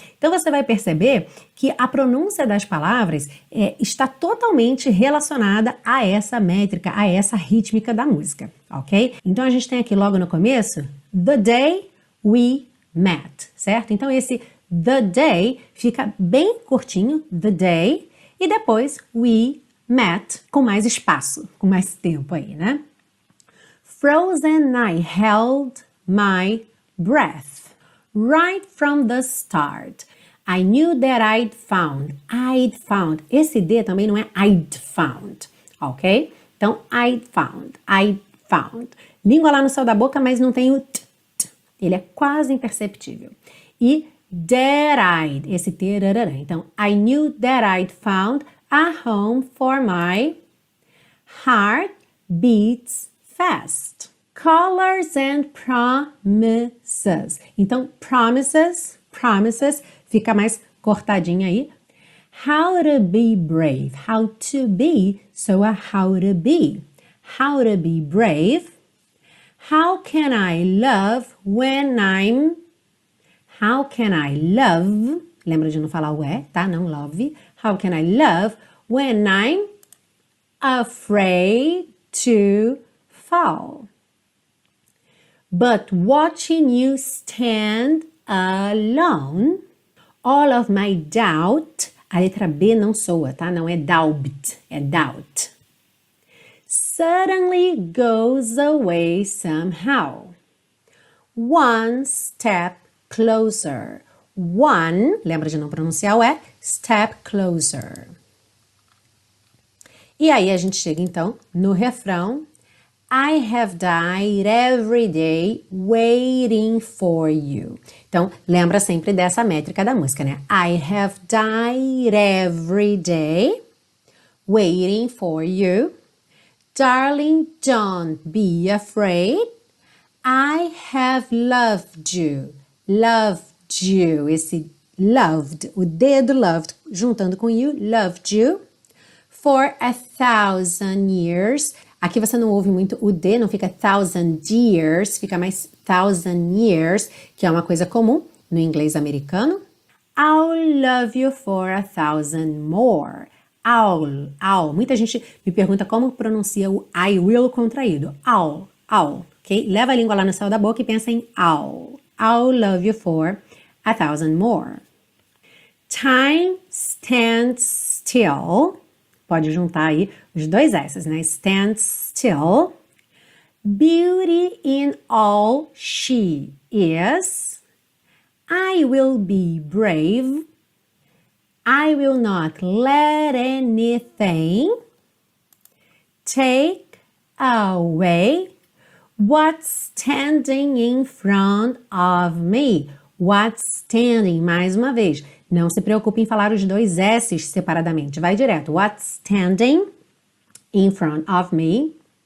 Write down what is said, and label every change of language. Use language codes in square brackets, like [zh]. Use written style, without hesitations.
[pt] Então você vai perceber que a pronúncia das palavras está totalmente relacionada a essa métrica, a essa rítmica da música, ok? Então a gente tem aqui logo no começo, the day we met, certo? Então esse the day fica bem curtinho, the day, e depois we met com mais espaço, com mais tempo aí, né? [en] Frozen, I held my breath, right from the start. I knew that I'd found. I'd found. [pt] Esse D também não é I'd found, ok? Então, I'd found. I'd found. Língua lá no céu da boca, mas não tem o t, t. Ele é quase imperceptível. E that I'd, esse T, rarara. [en] Então, I knew that I'd found a home for my heart beats fast. Colors and promises. [pt] Então, promises, promises, fica mais cortadinho aí. [en] How to be brave. How to be, so a how to be. How to be brave. How can I love when I'm. How can I love. [pt] Lembra de não falar o E, tá? Não love. [en] How can I love when I'm afraid to fall? But watching you stand alone, all of my doubt, a letra B não soa, tá? [pt] Não é doubt, é doubt. [en] Suddenly goes away somehow. One step closer. [pt] One, lembra de não pronunciar o E, step closer. E aí a gente chega então no refrão. [en] I have died every day waiting for you. [pt] Então, lembra sempre dessa métrica da música, né? [en] I have died every day waiting for you. Darling, don't be afraid. I have loved you. Loved you. Esse loved, o dedo loved, juntando com you, loved you for a thousand years. [pt] Aqui você não ouve muito o D, não fica thousand years, fica mais thousand years, que é uma coisa comum no inglês americano. [en] I'll love you for a thousand more. [pt] I'll. Muita gente me pergunta como pronuncia o I will contraído. [en] I'll, ok? [pt] Leva a língua lá no céu da boca e pensa em I'll. [en] I'll love you for a thousand more. Time stands still. [pt] Pode juntar aí os dois S's, né? [en] Stand still. Beauty in all she is. I will be brave. I will not let anything take away what's standing in front of me. [pt] What's standing, mais uma vez. Não se preocupe em falar os dois S's separadamente. Vai direto. [en] What's standing in front of me?